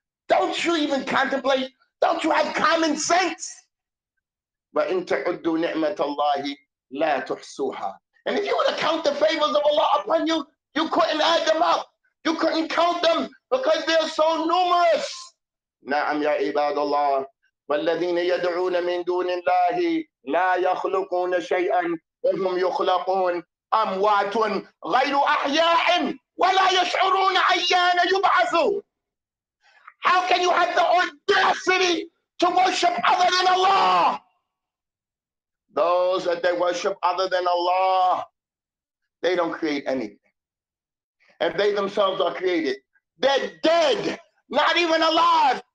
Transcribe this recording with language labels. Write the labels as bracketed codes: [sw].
[en] Don't you even contemplate? Don't you have common sense? [ar] وَإِن تَعُدُّوا نِعْمَةَ اللَّهِ لَا تُحْصُوهَا. [en] And if you were to count the favors of Allah upon you, you couldn't add them up. You couldn't count them because they are so numerous. [ar] نَعَمْ يَا عِبَادَ اللَّهِ. والذين يدعون من دون الله لا يخلقون شيئا وهم يخلقون أموات غير أحياء ولا يشعرون أيان يبعثون. [en] How can you have the audacity to worship other than Allah? Those that they worship other than Allah, they don't create anything. And they themselves are created. They're dead, not even alive.